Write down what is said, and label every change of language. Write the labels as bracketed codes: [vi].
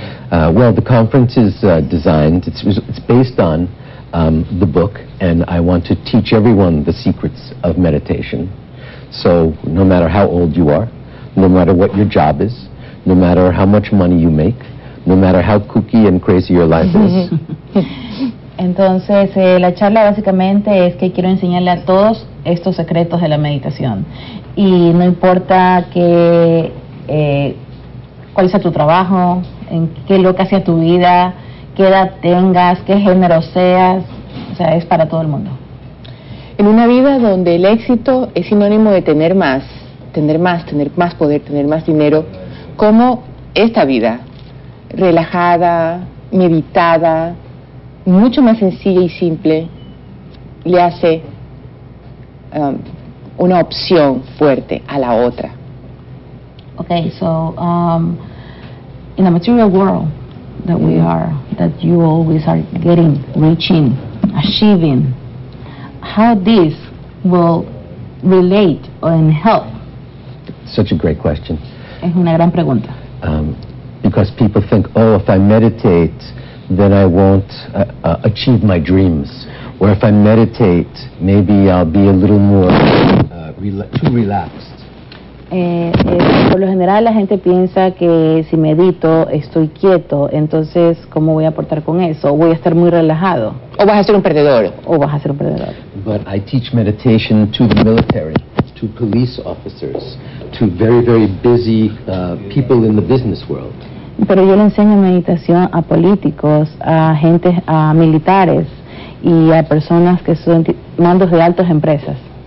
[en] Well, the conference is designed, it's based on the book, and I want to teach everyone the secrets of meditation. So, no matter how old you are, no matter what your job is, no matter how much money you make, no matter how kooky and crazy your life is. [es] Entonces, la charla básicamente es que quiero enseñarle a todos estos secretos de la meditación. Y no importa que cuál sea tu trabajo, en qué loca sea tu vida, qué edad tengas, qué género seas, o sea, es para todo el mundo. En una vida donde el éxito es sinónimo de tener más, tener más, tener más poder, tener más dinero, ¿cómo esta vida, relajada, meditada, mucho más sencilla y simple, le hace una opción fuerte a la otra? [en] Okay, so in the material world that we are, that you always are getting, reaching, achieving, how this will relate and help? Such a great question. [es] Es una gran pregunta. [en] Because people think, oh, if I meditate, then I won't achieve my dreams. Or if I meditate, maybe I'll be a little more too relaxed. [es] Por lo general la gente piensa que si medito estoy quieto, entonces ¿cómo voy a aportar con eso? ¿Voy a estar muy relajado? ¿O vas a ser un perdedor? ¿O vas a ser un perdedor? [en] But I teach meditation to the military, to police officers, to very, very busy people in the business world. [es] Pero yo le enseño meditación a políticos, a gente, a militares y a personas que son mandos de altas empresas.